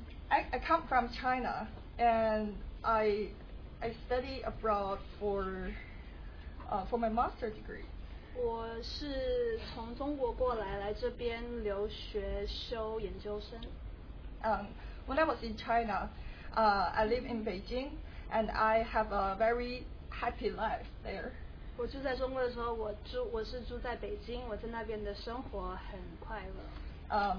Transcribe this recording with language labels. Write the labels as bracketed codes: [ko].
[en] I come from China and I study abroad for my master's degree. [zh] 我是从中国过来，来这边留学修研究生。 [en] When I was in China, I live in Beijing and I have a very happy life there. [zh] 我住在中国的时候，我是住在北京，我在那边的生活很快乐。